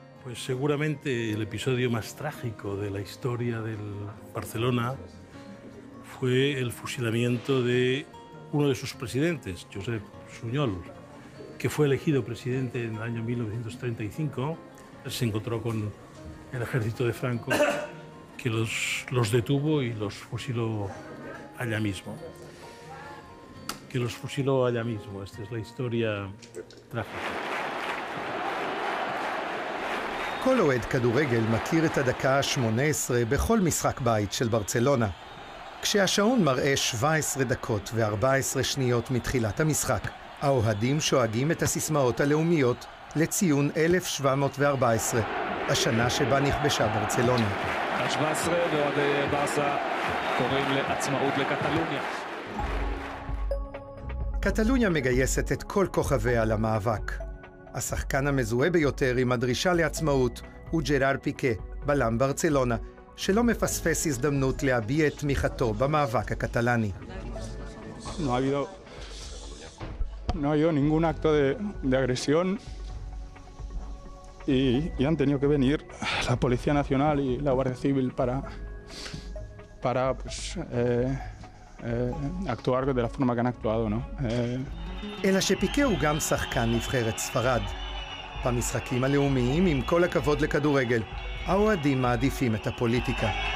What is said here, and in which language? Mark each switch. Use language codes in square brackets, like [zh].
[es] Pues seguramente el episodio más trágico de la historia del Barcelona fue el fusilamiento de uno de sus presidentes, Josep Sunyol, que fue elegido presidente en el año 1935. Se encontró con el ejército de Franco, que los detuvo y los fusiló allá mismo. Que los fusiló allá mismo. Esta es la historia trágica. [he] כל אוהד כדורגל מכיר את הדקה ה-18 בכל משחק בית של ברצלונה. כשהשעון מראה 17 דקות ו-14 שניות מתחילת המשחק, האוהדים שואגים את הסיסמאות הלאומיות לציון 1714, השנה שבה נכבשה ברצלונה. ה-17 ועוד ברסה קוראים לעצמאות לקטלוניה. קטלוניה מגייסת את כל כוכביה למאבק. השחקן המזוהה ביותר עם הדרישה לעצמאות הוא ג'רארד פיקה, בלם ברצלונה, שלא מפספס הזדמנות להביע את תמיכתו במאבק הקטלני. [es] No ha habido, no ha habido ningún acto de agresión y han tenido que venir la Policía Nacional y la Guardia Civil para pues, actuar de la forma que han actuado, ¿no? [he] אלא שפיקה הוא גם שחקן נבחרת ספרד. במשחקים הלאומיים, עם כל הכבוד לכדורגל, האוהדים מעדיפים את הפוליטיקה.